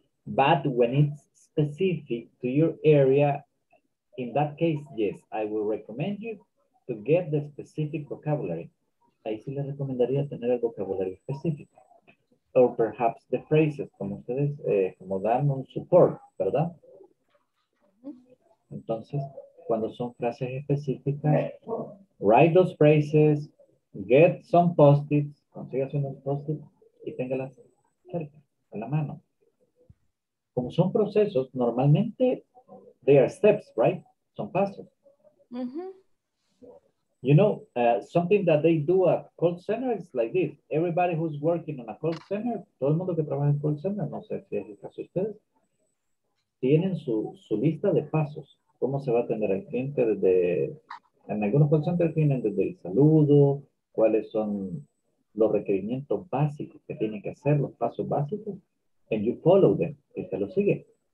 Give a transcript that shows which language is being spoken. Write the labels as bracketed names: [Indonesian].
[English] But when it's specific to your area, in that case, yes, I will recommend you to get the specific vocabulary. [Spanish] Ahí sí le recomendaría tener el vocabulario específico. [English] Or perhaps the phrases, [Spanish] como ustedes, como darme un support, ¿verdad? Entonces, cuando son frases específicas, [English] write those phrases, get some post-its, [Spanish] consigas unos post-its y téngalas cerca, a la mano. Como son procesos, normalmente [English] they are steps, right? [Spanish] Son pasos. [English] You know, something that they do at call center is like this. Everybody who's working on a call center, [Spanish] todo el mundo que trabaja en call center, no sé si es el caso de ustedes, tienen su lista de pasos. ¿Cómo se va a atender al cliente desde... En algunos call centers tienen desde el saludo, cuáles son los requerimientos básicos que tienen que hacer, los pasos básicos, [English] and you follow them, [Spanish] y se lo sigue.